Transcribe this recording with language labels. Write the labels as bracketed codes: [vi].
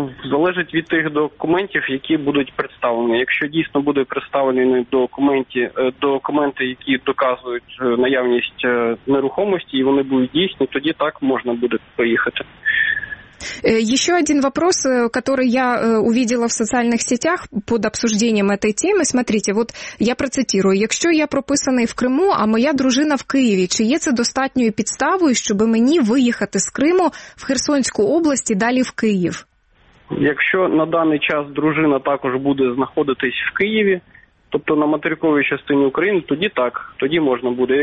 [uk] Залежить від тих документів, які будуть представлені. Якщо дійсно будуть представлені документи, які доказують наявність нерухомості, і вони будуть дійсні, тоді так можна буде поїхати. [ru] Еще один вопрос, который я увидела в социальных сетях под обсуждением этой темы. Смотрите, вот я процитирую. [uk] «Якщо я прописаний в Криму, а моя дружина в Києві, чи є це достатньою підставою, щоб мені виїхати з Криму в Херсонську область і далі в Київ?» Якщо на даний час дружина також буде знаходитись в Києві, тобто на материковій частині України, тоді так, тоді можна буде.